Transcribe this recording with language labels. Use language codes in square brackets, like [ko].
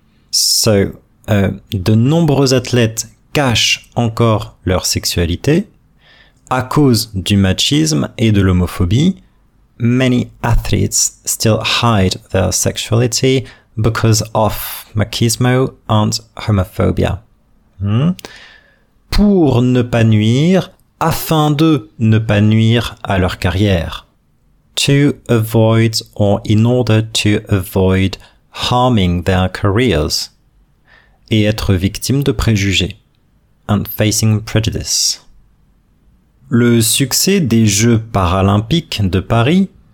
[fr] So, de nombreux athlètes cachent encore leur sexualité à cause du machisme et de l'homophobie. [en] Many athletes still hide their sexuality because of machismo and homophobia. [fr] Pour ne pas nuire, afin de ne pas nuire à leur carrière. [en] To avoid or in order to avoid harming their careers. [fr] Et être victime de préjugés. [en] And facing prejudice. [fr] Le succès des Jeux paralympiques de Paris.